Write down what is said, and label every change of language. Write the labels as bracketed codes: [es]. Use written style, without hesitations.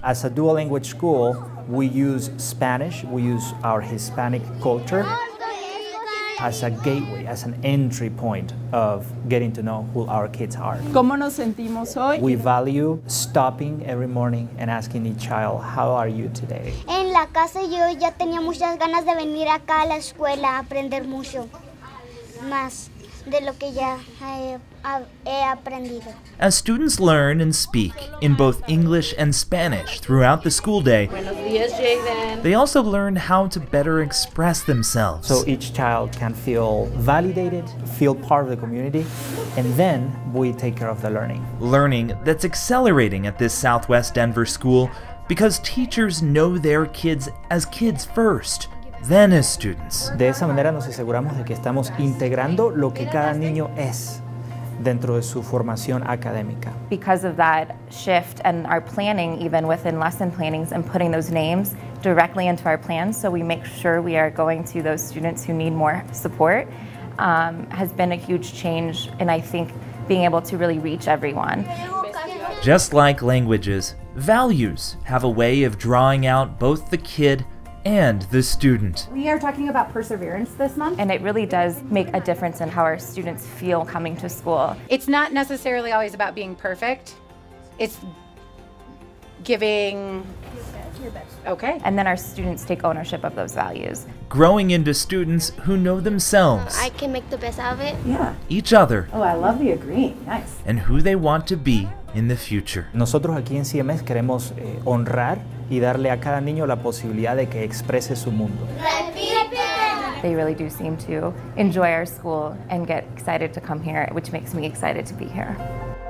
[en] As a dual language school, we use Spanish, we use our Hispanic culture as a gateway, as an entry point of getting to know who our kids are. [es] ¿Cómo nos sentimos hoy? [en] We value stopping every morning and asking each child, how are you today? [es] En la casa yo ya tenía muchas ganas de venir acá a la escuela a aprender mucho más de lo que ya he aprendido. [en] As students learn and speak in both English and Spanish throughout the school day, [es] Buenos días, Jaden. [en] They also learn how to better express themselves. So each child can feel validated, feel part of the community, and then we take care of the learning. Learning that's accelerating at this Southwest Denver school because teachers know their kids as kids first. Then as students. [es] De esa manera nos aseguramos de que estamos integrando lo que cada niño es dentro de su formación académica. [en] Because of that shift and our planning, even within lesson plannings and putting those names directly into our plans, so we make sure we are going to those students who need more support, has been a huge change in, I think, being able to really reach everyone. Just like languages, values have a way of drawing out both the kid and the student. We are talking about perseverance this month. And it really does make a difference in how our students feel coming to school. It's not necessarily always about being perfect. It's giving your best. Okay. And then our students take ownership of those values. Growing into students who know themselves. I can make the best out of it. Yeah. Each other. Oh, I love the agreeing. Nice. And who they want to be in the future. [es] Nosotros aquí en CMS queremos honrar y darle a cada niño la posibilidad de que exprese su mundo. [en] They really do seem to enjoy our school and get excited to come here, which makes me excited to be here.